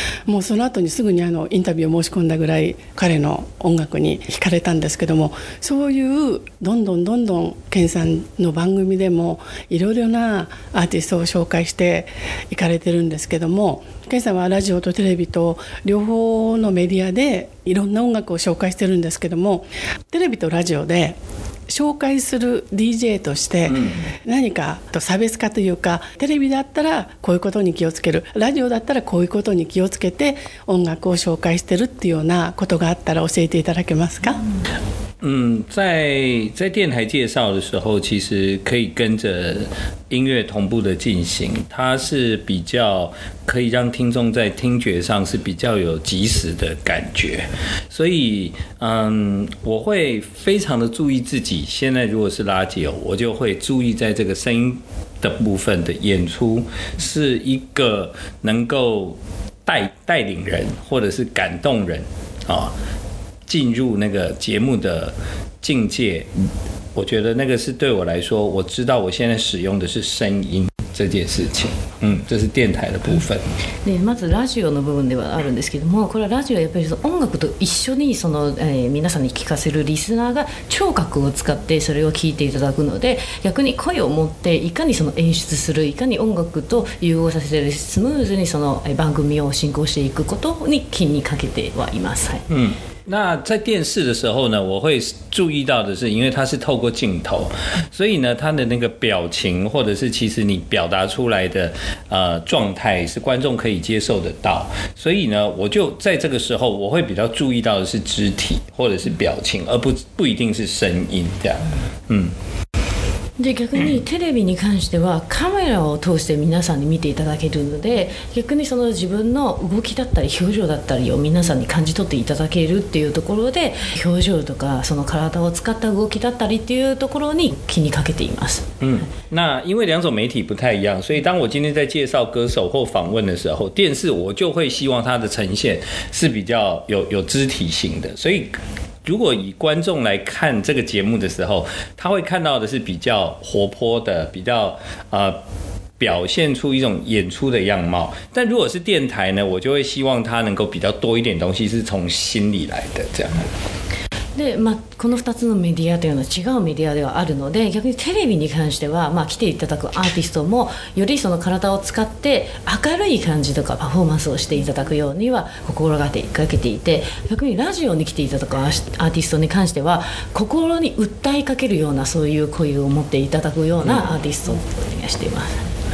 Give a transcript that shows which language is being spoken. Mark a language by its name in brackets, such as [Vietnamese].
[Japanese] もうその後にすぐにあのインタビューを申し込んだぐらい彼の音楽に惹かれたんですけども、そういうどんどんどんどんケンさんの番組でもいろいろなアーティストを紹介していかれてるんですけども、ケンさんはラジオとテレビと両方のメディアでいろんな音楽を紹介してるんですけども、テレビとラジオで紹介する DJ として何か差別化というか、テレビだったらこういうことに気をつける、ラジオだったらこういうことに気をつけて音楽を紹介してるっていうようなことがあったら教えていただけますか？ [Chinese] 在电台介绍的时候，其实可以跟着音乐同步的进行，它是比较可以让听众在听觉上是比较有及时的感觉。所以我会非常的注意自己，现在如果是拉久，我就会注意在这个声音的部分的演出是一个能够带领人或者是感动人啊进入那个节目的境界，我觉得那个是对我来说，我知道我现在使用的是声音这件事情。这是电台的部分。 [Japanese] でまずラジオの部分ではあるんですけども、これはラジオはやっぱりその音楽と一緒にその、皆さんに聞かせるリスナーが聴覚を使ってそれを聞いていただくので、逆に声を持っていかにその演出する、いかに音楽と融合させてスムーズにその番組を進行していくことに気にかけてはいます。はい。 [Chinese] 那在电视的时候呢，我会注意到的是，因为它是透过镜头，所以呢，它的那个表情或者是其实你表达出来的状态是观众可以接受得到，所以呢，我就在这个时候我会比较注意到的是肢体或者是表情，而不一定是声音这样。 [Japanese] で逆にテレビに関してはカメラを通して皆さんに見ていただけるので、逆にその自分の動きだったり表情だったりを皆さんに感じ取っていただけるっていうところで、表情とかその体を使った動きだったりっていうところに気にかけています。 [Chinese] 那因为两种媒体不太一样，所以当我今天在介绍歌手或访问的时候，电视我就会希望它的呈现是比较 有肢体型的，所以如果以观众来看这个节目的时候，他会看到的是比较活泼的，比较表现出一种演出的样貌。但如果是电台呢，我就会希望他能够比较多一点东西是从心里来的这样。 [Japanese] でまあ、この2つのメディアというのは違うメディアではあるので、逆にテレビに関しては、まあ、来ていただくアーティストもよりその体を使って明るい感じとかパフォーマンスをしていただくようには心がかけていて、逆にラジオに来ていただくアーティストに関しては心に訴えかけるようなそういう声を持っていただくようなアーティストをお願いしています。